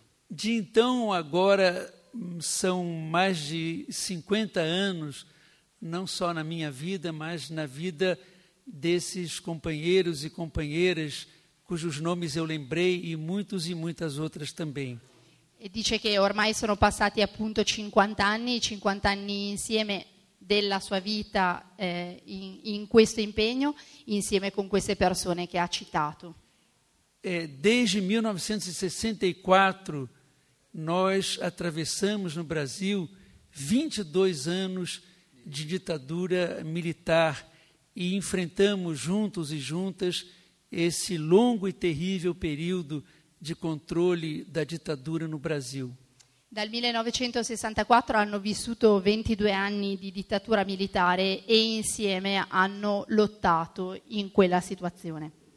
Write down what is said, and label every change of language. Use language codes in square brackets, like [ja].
[pt] De então agora são mais de 50 anos, não só na minha vida, mas na vida desses companheiros e companheiras cujos nomes eu lembrei e muitos e muitas outras também. [it] E dice che ormai sono passati appunto 50 anni, 50 anni insieme della sua vita in questo impegno, insieme con queste persone che ha citato. [pt] Desde 1964 nós atravessamos no Brasil 22 anos de ditadura militar e enfrentamos juntos e juntas esse longo e terrível período de controle da ditadura no Brasil. [it] Dal 1964 hanno vissuto 22 anni di dittatura militare e insieme hanno lottato in quella situazione.